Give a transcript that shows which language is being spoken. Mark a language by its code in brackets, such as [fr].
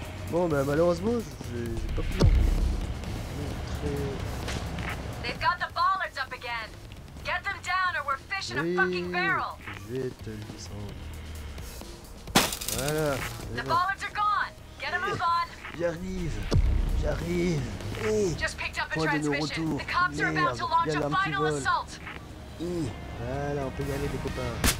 [fr] Bon, bah malheureusement, j'ai pas pu montrer. [en] They've got the bollards up again. Get them down or we're fish in a fucking barrel. [fr] Vite, ils sont. Voilà. [en] The bollards are gone. Get a move on. [fr] J'arrive. [en] Just picked up a transmission. The cops are about to launch a final assault. [fr] Voilà, on peut y aller, les copains.